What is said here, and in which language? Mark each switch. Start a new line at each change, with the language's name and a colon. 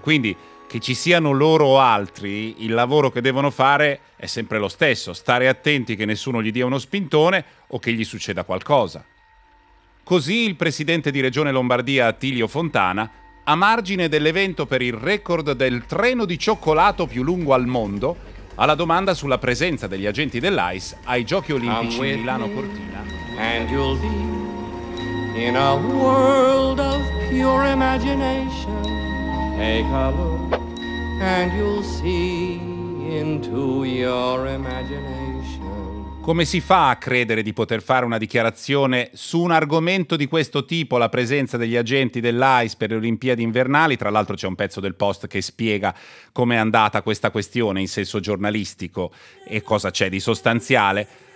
Italian: Quindi che ci siano loro o altri, il lavoro che devono fare è sempre lo stesso: stare attenti che nessuno gli dia uno spintone o che gli succeda qualcosa. Così il presidente di Regione Lombardia Attilio Fontana, a margine dell'evento per il record del treno di cioccolato più lungo al mondo, alla domanda sulla presenza degli agenti dell'AIS ai giochi olimpici in Milano Cortina.
English: And you'll be in a world of pure imagination. Take a look and you'll see into your imagination.
Italian: Come si fa a credere di poter fare una dichiarazione su un argomento di questo tipo, la presenza degli agenti dell'AIS per le Olimpiadi invernali? Tra l'altro c'è un pezzo del Post che spiega com'è andata questa questione in senso giornalistico e cosa c'è di sostanziale.